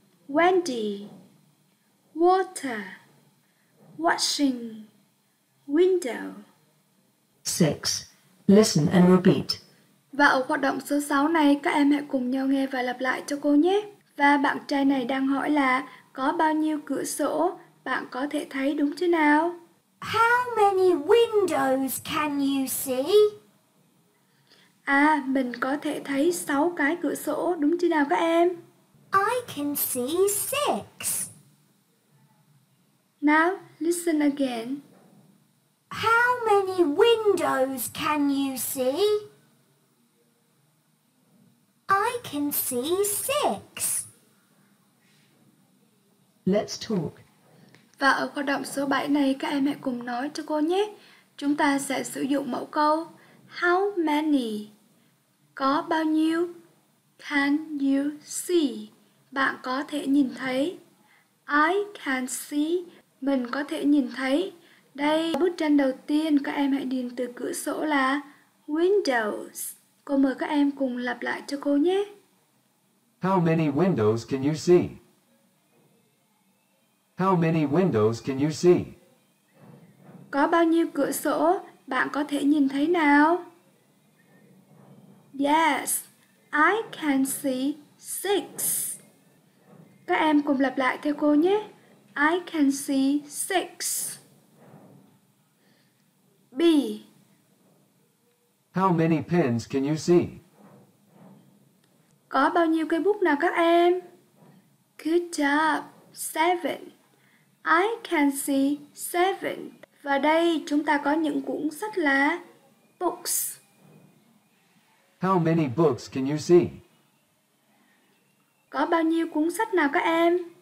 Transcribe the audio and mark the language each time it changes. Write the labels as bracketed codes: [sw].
[en] Wendy, water, watching window. 6. Listen and repeat. [vi] Và ở hoạt động số 6 này, các em hãy cùng nhau nghe và lặp lại cho cô nhé. Và bạn trai này đang hỏi là có bao nhiêu cửa sổ, bạn có thể thấy đúng chứ nào? [en] How many windows can you see? [vi] À, mình có thể thấy 6 cái cửa sổ, đúng chứ nào các em? [en] I can see 6. Now, listen again. How many windows can you see? I can see 6. Let's talk. [vi] Và ở hoạt động số 7 này, các em hãy cùng nói cho cô nhé. Chúng ta sẽ sử dụng mẫu câu [en] How many? [vi] Có bao nhiêu? [en] Can you see? [vi] Bạn có thể nhìn thấy. [en] I can see. [vi] Mình có thể nhìn thấy. Đây, bức tranh đầu tiên, các em hãy điền từ cửa sổ là windows. Cô mời các em cùng lặp lại cho cô nhé. [en] How many windows can you see? How many windows can you see? [vi] Có bao nhiêu cửa sổ bạn có thể nhìn thấy nào? [en] Yes, I can see 6. [vi] Các em cùng lặp lại theo cô nhé. [en] I can see 6. B. How many pens can you see? [vi] Có bao nhiêu cây bút nào các em? [en] Good job, 7. I can see 7. [vi] Và đây chúng ta có những cuốn sách là books. [en] How many books can you see? [vi] Có bao nhiêu cuốn sách nào các em?